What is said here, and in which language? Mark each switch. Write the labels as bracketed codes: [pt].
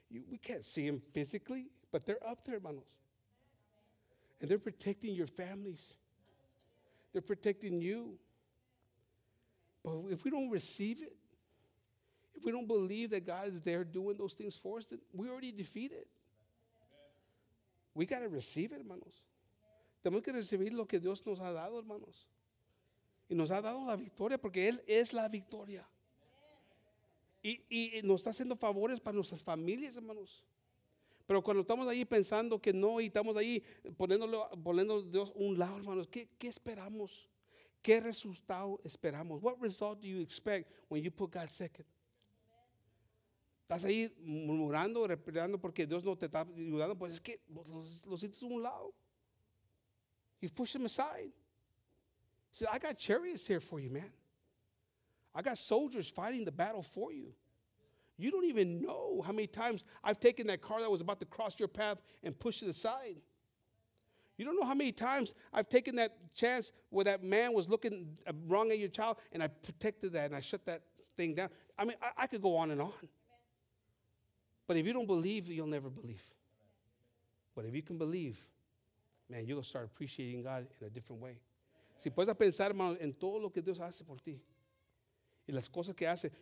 [en] We can't see them physically, but they're up there, hermanos. And they're protecting your families. They're protecting you. But if we don't receive it, if we don't believe that God is there doing those things for us, then we're already defeated. We got to receive it, hermanos. [es] Tenemos que recibir lo que Dios nos ha dado, hermanos. Y nos ha dado la victoria porque Él es la victoria. Y nos está haciendo favores para nuestras familias, hermanos. Pero cuando estamos ahí pensando que no y estamos ahí poniendo a Dios un lado, hermanos, ¿qué esperamos? ¿Qué resultado esperamos? [en] What result do you expect when you put God second? [es] ¿Estás ahí murmurando, reprimiendo porque Dios no te está ayudando? Pues es que los sientes a un lado. [en] You push them aside. See, I got chariots here for you, man. I got soldiers fighting the battle for you. You don't even know how many times I've taken that car that was about to cross your path and pushed it aside. You don't know how many times I've taken that chance where that man was looking wrong at your child and I protected that and I shut that thing down. I mean, I could go on and on. But if you don't believe, you'll never believe. But if you can believe, man, you'll start appreciating God in a different way. [es] Si puedes pensar, hermano, en todo lo que Dios hace por ti. Y las cosas que hace.